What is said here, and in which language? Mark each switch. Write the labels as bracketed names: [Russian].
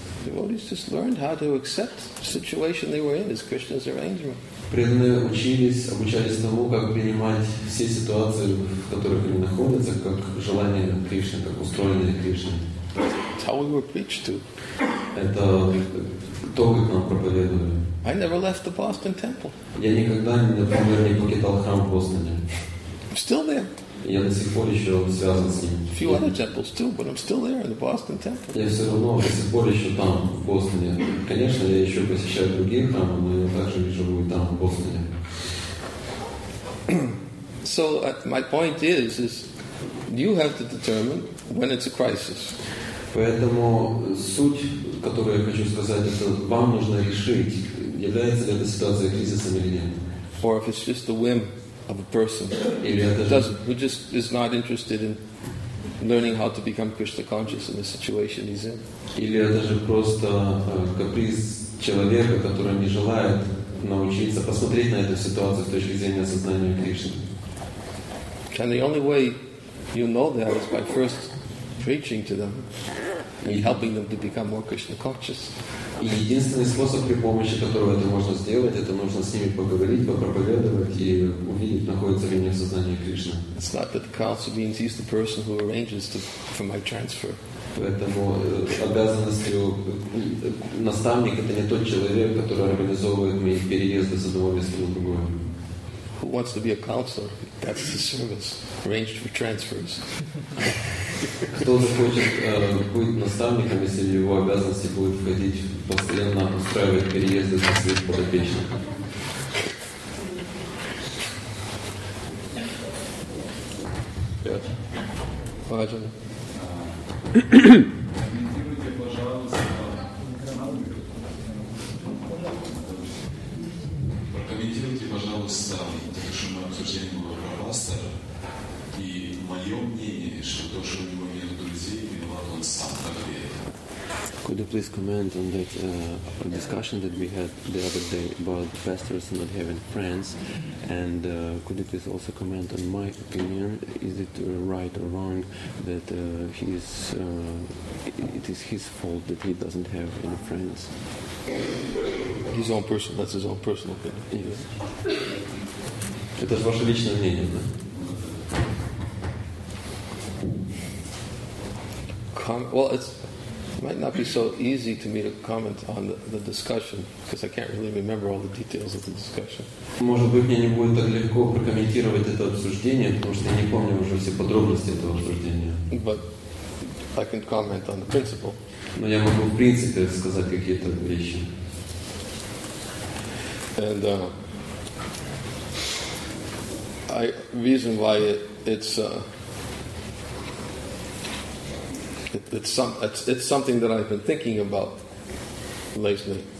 [English] Devotees just learned how to accept the situation they were in as Krishna's arrangement. [Russian] Преданные обучались тому, как принимать все ситуации, в которых они находятся, как желание Кришны, как устроенное Кришной. [English] That's how we were preached to. [Russian] Это то, как нам проповедовали. [English] I never left the Boston Temple. [Russian] Я никогда, например, не покидал храм в Бостоне. [English] I'm still there. [Russian] Я до сих пор еще связан с ним. [English] A few other temples too, but I'm still there in the Boston Temple. [Russian] Я все равно до сих пор еще там, в Бостоне. Конечно, я еще посещаю другие храмы, но я также живу и там, в Бостоне. [English] So, my point is you have to determine when it's a crisis. [Russian] Поэтому суть, которую я хочу сказать, это вам нужно решить, является ли эта ситуация кризисом или нет. [English] Or if it's just a whim of a person who just is not interested in learning how to become Krishna conscious in the situation he's in. [Russian] Или это же просто каприз человека, который не желает научиться посмотреть на эту ситуацию с точки зрения сознания Кришны. [English] And the only way you know that is by first preaching to them and helping them to become more Krishna conscious. [Russian] И единственный способ, при помощи которого это можно сделать, это нужно с ними поговорить, попроповедовать и увидеть, находится ли они в сознании Кришны. [English] It's not that the council means he's the person who arranges for my transfer. [Russian] Поэтому обязанностью наставник это не тот человек, который организовывает мои переезды с одного места на другое. [English] Who wants to be a counselor? That's the service. Arranged for transfers. [Russian] Кто захочет быть наставником, если его обязанности будет входить постоянно устраивать переезды на своих подопечных? Пожалуйста. Прокомментируйте, пожалуйста, то, что мы обсуждали Гурура Пастора, и мое мнение, что то, что у него нет друзей, виноват он сам, как и это. [English] Could you please comment on that discussion that we had the other day about the pastors not having friends? And could you please also comment on my opinion? Is it right or wrong that it is his fault that he doesn't have any friends? His own person, that's his own personal opinion. Yes. [Russian] Это ваше личное мнение, да? [English] It might not be so easy to me to comment on the discussion because I can't really remember all the details of the discussion. [Russian] Может быть, мне не будет так легко прокомментировать это обсуждение, потому что я не помню уже все подробности этого обсуждения. [English] But I can comment on the principle. [Russian] Но я могу в принципе сказать какие-то вещи. [English] And it's something that I've been thinking about lately.